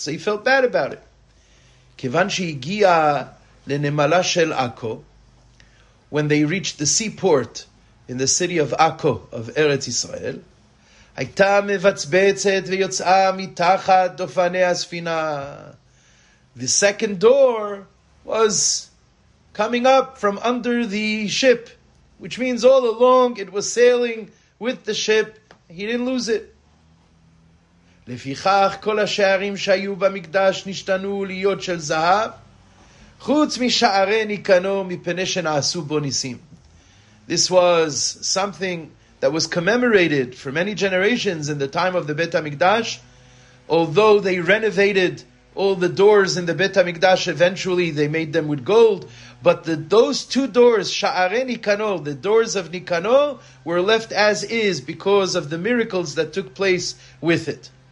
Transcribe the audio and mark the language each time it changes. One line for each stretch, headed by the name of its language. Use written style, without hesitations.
English: So he felt bad about it.
Hebrew: Kivan shehigia lenemala shel Akko,
English: when they reached the seaport in the city of Akko of Eretz Yisrael,
Hebrew: hayta mevatzbetzet veyotzah mitachat dofanei hasfina.
English: The second door was coming up from under the ship, which means all along it was sailing with the ship. He didn't lose it.
Hebrew: לפיכך כל השערים שהיו במקדש נשתנו להיות של זהב, חוץ משערי ניקנור מפני שנעשו בו ניסים.
English: This was something that was commemorated for many generations in the time of the Beit HaMikdash. Although they renovated all the doors in the Beit HaMikdash, eventually they made them with gold. But those two doors, שערי ניקנור, the doors of ניקנור, were left as is because of the miracles that took place with it.